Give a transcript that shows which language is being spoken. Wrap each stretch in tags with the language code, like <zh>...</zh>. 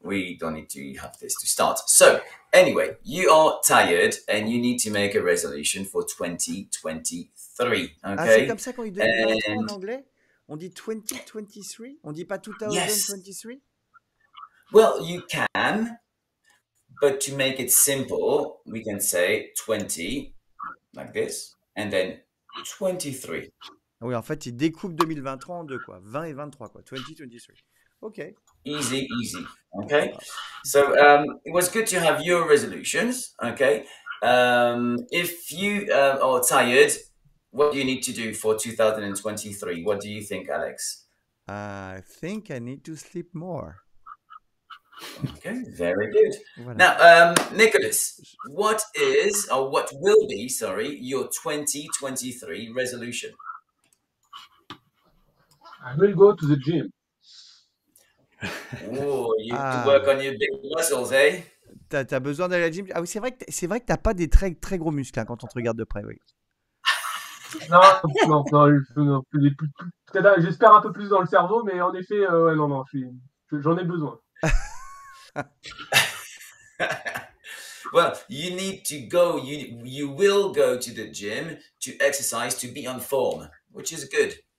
<en>We don't need to have this to start. So, anyway, you are tired and you need to make a resolution for 2023. Okay?</en> <fr>Ah, c'est comme ça qu'on dit en anglais? On dit 2023? On dit pas 2023?</fr> <en>Yes. Well, you can. But to make it simple, we can say 20, like this, and then 23.</en> <fr>Oui, en fait, il découpe 2023 en deux, quoi. 20 et 23, quoi. 2023. OK.</fr> <en>Easy, easy. OK. So, it was good to have your resolutions. OK. If you are tired, what do you need to do for 2023? What do you think, Alex? I think I need to sleep more. OK. Very good. Voilà. Now, Nicolas, what will be your 2023 resolution? I will go to the gym. Oh, you need to work on your big muscles, eh?</en> <fr>T'as besoin d'aller à la gym? Ah oui, c'est vrai que t'as pas des très très gros muscles hein, quand on te regarde de près, oui. Non, j'espère un peu plus dans le cerveau, mais en effet, j'en ai besoin.</fr> <en>Well, you need to go. You will go to the gym to exercise to be on form, which is good.</en>